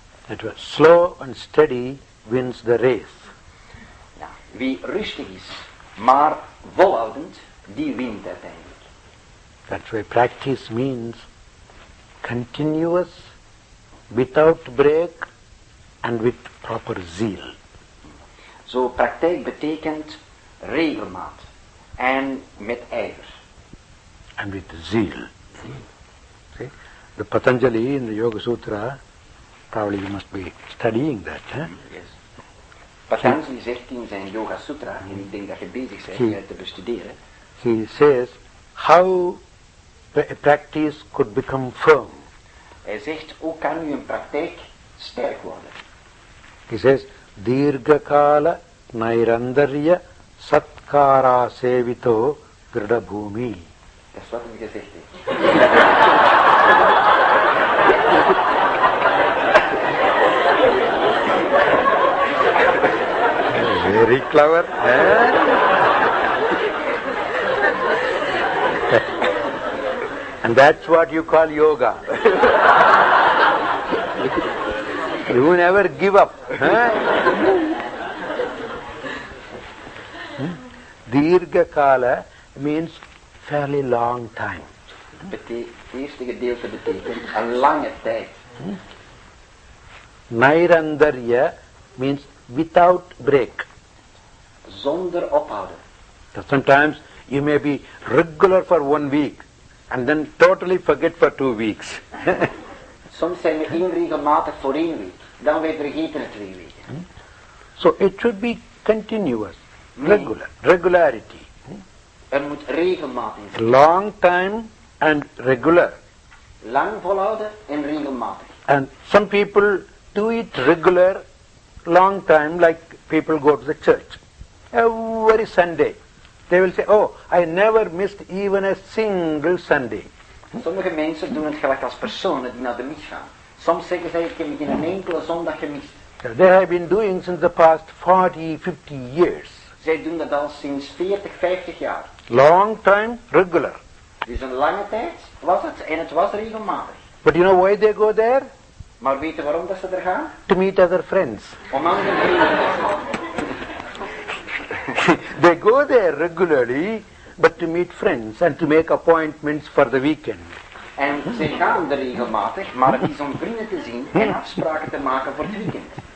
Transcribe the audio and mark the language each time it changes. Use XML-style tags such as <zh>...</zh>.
<en>It was slow and steady wins the race.</en> <nl>Ja, wie rustig is, maar volhoudend, die wint uiteindelijk.</nl> <en>That's why practice means continuous, without break, and with proper zeal.</en> <nl>Zo, praktijk betekent regelmaat en met ijver.</nl> <en>And with zeal. See? The Patanjali in the Yoga Sutra, probably you must be studying that. Huh? Yes.</en> <nl>Patanjali zegt in zijn Yoga Sutra, en ik denk dat je bezig bent te bestuderen.</nl> <en>He says how a practice could become firm.</en> <nl>Hij zegt, hoe kan nu een praktijk sterk worden?</nl> <en>He says,</en> <sa>Dirgakala Nairandarya Satkara Sevito Gridabhumi.</sa> <en>That's what he said. Very clever. Eh? And that's what you call yoga. You never give up. Dirgakala means fairly long time.</en> <nl>eerste gedeelte betekent een lange tijd.</nl> <en>Nairandarya means without break.</en> <nl>Zonder ophouden.</nl> <en>So sometimes you may be regular for 1 week and then totally forget for 2 weeks.</en> <nl>Soms zijn we onregelmatig voor 1 week, dan weer vergeten het 2 weken.</nl> <en>So it should be continuous, regularity.</en> <nl>Er moet regelmatig zijn.</nl> <en>Long time and regular.</en> <nl>Lang volhouden en regelmatig.</nl> <en>And some people do it regular, long time, like people go to the church. Every Sunday, they will say, I never missed even a single Sunday.</en> <nl>Sommige mensen doen het gelijk als personen die naar de mis gaan. Soms zeggen ze, ik heb geen enkele zondag gemist.</nl> <en>They have been doing since the past 40, 50 years.</en> <nl>Zij doen dat al sinds 40, 50 jaar.</nl> <en>Long time, regular.</en> <nl>Dus een lange tijd was het, en het was regelmatig.</nl> <en>But you know why they go there?</en> <nl>Maar weten waarom dat ze er gaan?</nl> <en>To meet other friends.</en> <nl>Om andere vrienden te ontmoeten.</nl> <en>They go there regularly, but to meet friends and to make appointments for the weekend.</en> <nl>En ze gaan er regelmatig, maar het is om vrienden te zien en afspraken te maken voor het weekend.</nl>